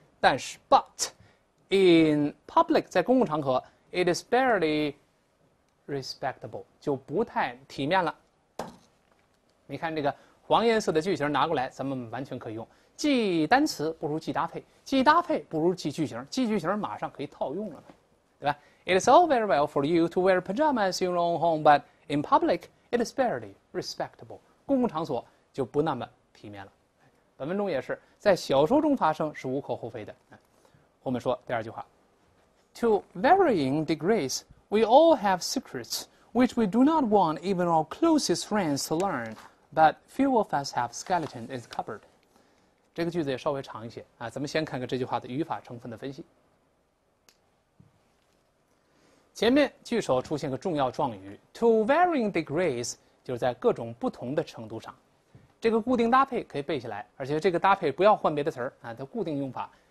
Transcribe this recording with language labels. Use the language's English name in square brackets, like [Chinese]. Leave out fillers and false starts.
[Chinese] 但是 [English] but in public [Chinese] 在公共场合， [English] it is barely respectable [Chinese] 就不太体面了。你看这个黄颜色的句型拿过来，咱们完全可以用。记单词不如记搭配，记搭配不如记句型，记句型马上可以套用了，对吧？ [English] It is all very well for you to wear pajamas in your own home, but in public, it is barely respectable. [Chinese] 公共场所就不那么体面了。本文中也是，在小说中发生是无可厚非的。后面说第二句话： [English] To varying degrees, we all have secrets which we do not want even our closest friends to learn, but few of us have skeletons in the cupboard. [Chinese] 这个句子也稍微长一些啊，咱们先看看这句话的语法成分的分析。前面句首出现个重要状语 [English] to varying degrees， [Chinese] 就是在各种不同的程度上。这个固定搭配可以背下来，而且这个搭配不要换别的词儿啊，它固定用法。